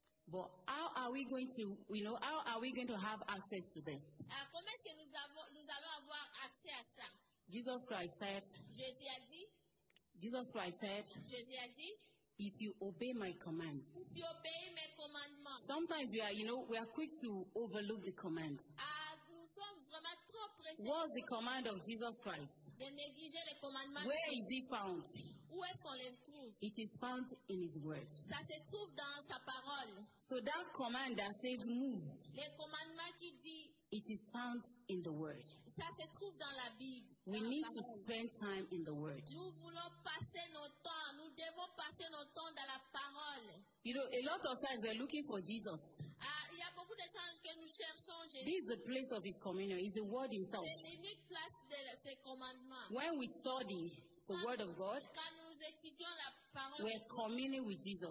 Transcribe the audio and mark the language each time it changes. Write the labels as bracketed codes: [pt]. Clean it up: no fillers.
[en] But how are we going to, you know, how are we going to have access to this? [fr] Comment est-ce que nous allons avoir accès à ça? [en] Jesus Christ said, if you obey my commands. [fr] Si tu obéis mes commandements. [en] Sometimes we are, you know, we are quick to overlook the command. [fr] Nous sommes vraiment trop pressés. [en] What is the command of Jesus Christ? [fr] De négliger les commandements. [en] Where is it found? [fr] Où est-ce qu'on les trouve? [en] It is found in his word. [fr] Ça se trouve dans sa parole. [en] So that command that says move. [fr] Le commandement qui dit, [en] it is found in the word. [fr] Ça se trouve dans la Bible. [en] We need to spend time in the word. [fr] Nous voulons passer notre temps. Nous devons passer notre temps dans la parole. [en] You know, a lot of times we're looking for Jesus. [fr] Il y a beaucoup de temps que nous cherchons Jésus. [en] This is the place of his communion. It's the word himself. [fr] C'est l'unique place de ses commandements. [en] When we study the word of God, we're communing with Jesus.